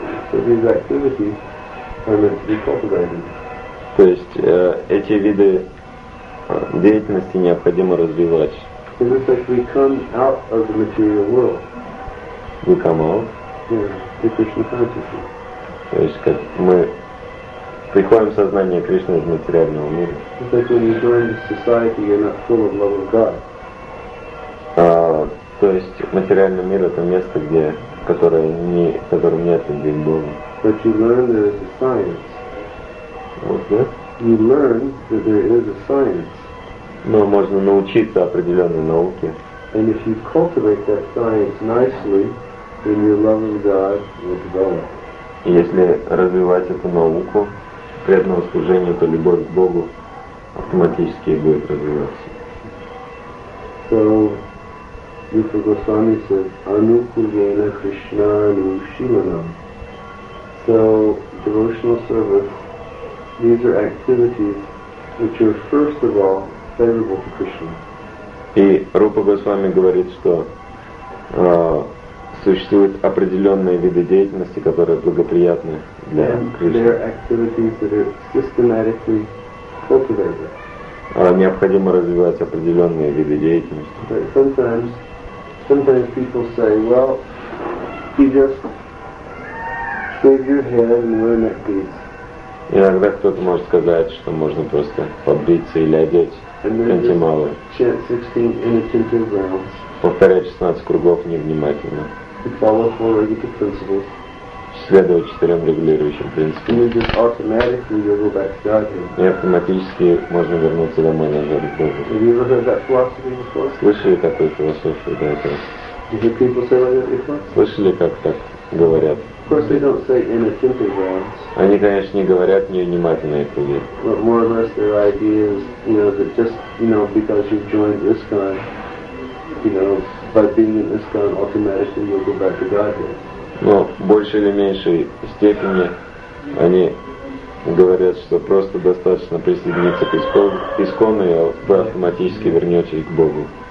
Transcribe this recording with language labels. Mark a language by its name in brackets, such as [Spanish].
[English] So these activities are meant to be cultivated. [Russian] То есть эти виды деятельности необходимо развивать. [English] It looks like we come out of the material world. We come out. Yeah, to Krishna consciousness. [Russian] То есть как мы приходим в сознание Кришны из материального мира. [English] It's like when you join this society, you're not full of love of God. [Russian] То есть материальный мир — это место, где, в котором нет любви к Богу. [English] But you learn there is a science. What's that? You learn that there is a science. [Russian] Но можно научиться определенной науке. [English] And if you cultivate that science nicely, then your love of God will develop. [Russian] И если развивать эту науку преданного служения, то любовь к Богу автоматически будет развиваться. [English] So, Rupa Goswami says, [Sanskrit] Anukulena Krishna Anushilanam. [English] So, devotional service, these are activities which are first of all favorable to Krishna. [Russian] И Рупа Госвами говорит, что существуют определенные виды деятельности, которые благоприятны для Кришны. [English] They are activities that are systematically cultivated. [Russian] Необходимо развивать определенные виды деятельности. [English] Sometimes people say, well, you just shave your head and wear neck beads. [Russian] Иногда кто-то может сказать, что можно просто побриться или одеть кантималы. [English] Chant 16 inattentive rounds. [Russian] Повторять 16 кругов невнимательно. [English] To follow four regulative principles. [Russian] Следовать 4 регулирующим принципам. [English] And just automatically you go back to Godhead. [Russian] И автоматически можно вернуться домой назад к Богу. [English] Have you ever heard that philosophy before? [Russian] Слышали такую философию до этого? [English] Did you people say like that before? [Russian] Слышали, как так говорят? [English] Of course they don't say inattentive rounds. [Russian] Они, конечно, не говорят невнимательные круги. [English] But more or less their idea is, you know, that just, you know, because you've joined ISKCON, by being in ISKCON, automatically you'll go back to Godhead. [Russian] Ну, в большей или меньшей степени они говорят, что просто достаточно присоединиться к ИСККОН, и вы автоматически вернетесь к Богу.